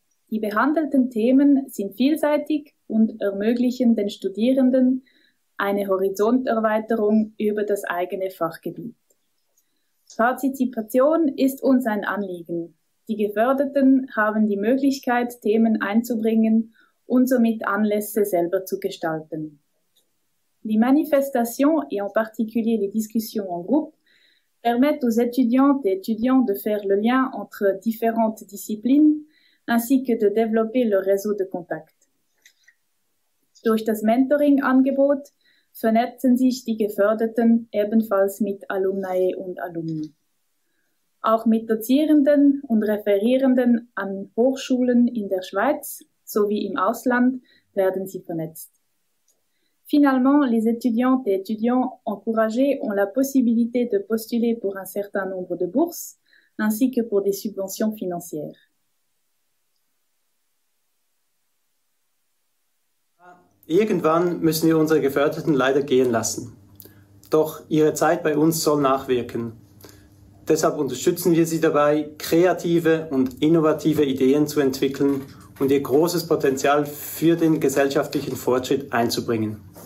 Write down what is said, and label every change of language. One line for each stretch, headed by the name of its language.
German: Die behandelten Themen sind vielseitig und ermöglichen den Studierenden eine Horizonterweiterung über das eigene Fachgebiet. Partizipation ist uns ein Anliegen. Die Geförderten haben die Möglichkeit, Themen einzubringen und somit Anlässe selber zu gestalten.
French: Les manifestations et en particulier les discussions en groupe permettent aux étudiantes et étudiants de faire le lien entre différentes disciplines ainsi que de développer leur réseau de contacts.
German: Durch das Mentoring-Angebot vernetzen sich die Geförderten ebenfalls mit Alumni und Alumni. Auch mit Dozierenden und Referierenden an Hochschulen in der Schweiz sowie im Ausland werden sie vernetzt.
French: Finalement, les étudiantes et étudiants encouragés ont la possibilité de postuler pour un certain nombre de bourses, ainsi que pour des subventions financières.
German: Irgendwann müssen wir unsere Geförderten leider gehen lassen. Doch ihre Zeit bei uns soll nachwirken. Deshalb unterstützen wir sie dabei, kreative und innovative Ideen zu entwickeln und ihr großes Potenzial für den gesellschaftlichen Fortschritt einzubringen.